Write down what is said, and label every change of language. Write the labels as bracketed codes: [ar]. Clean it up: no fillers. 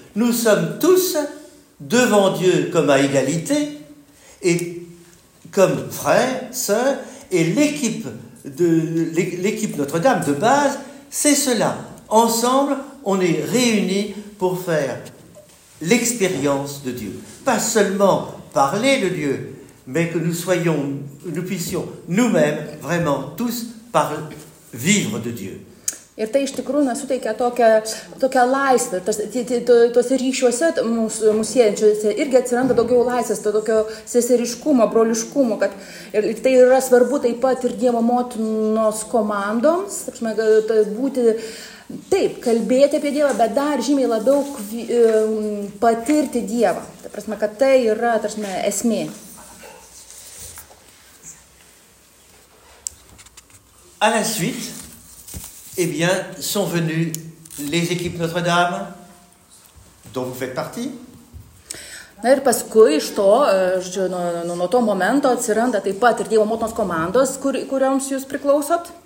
[fr] Nous sommes tous devant Dieu comme à égalité et comme frères, sœurs et l'équipe Notre-Dame de base, c'est cela. Ensemble, on est réunis pour faire l'expérience de Dieu, pas seulement parler de Dieu, mais que nous puissions nous-mêmes vraiment tous vivre de Dieu. [lt] Ir tai iš tikrųjų suteikia tokią laisvę. Tuose ryšiuose mūsų siejančiuose irgi atsiranda daugiau laisvės, to tokio seseriškumo, broliškumo. Kad, ir tai yra svarbu taip pat ir Dievo motinos komandoms, būti taip, kalbėti apie Dievą, bet dar žymiai labiau patirti Dievą. Ta prasme, kad tai yra esmė. [fr] À la suite, eh bien, sont venues les équipes Notre-Dame, dont vous faites partie. [lt] Na ir paskui iš to, nuo to momento atsiranda taip pat ir Dievo motinos komandos, kurioms jūs priklausot.